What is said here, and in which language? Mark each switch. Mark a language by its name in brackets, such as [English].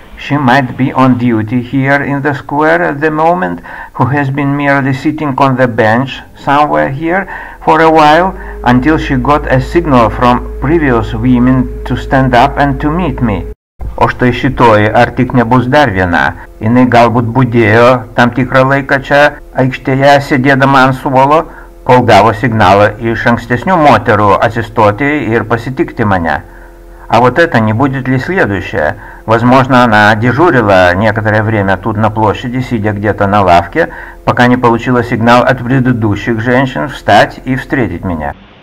[English] She might be on duty here in the square at the moment, who has been merely sitting on the bench somewhere here for a while, until she got a signal from previous women to stand up and to meet me. [Lithuanian] O štai šitoji, ar tik nebus dar viena? Jinai galbūt būdėjo tam tikrą laiką čia aikštėje sėdėdama ant suolo, kol gavo signalą iš ankstesnių moterų atsistoti ir pasitikti mane. [Russian] А вот это не будет ли следующее? Возможно, она дежурила некоторое время тут на площади, сидя где-то на лавке, пока не получила сигнал от предыдущих женщин встать и встретить меня.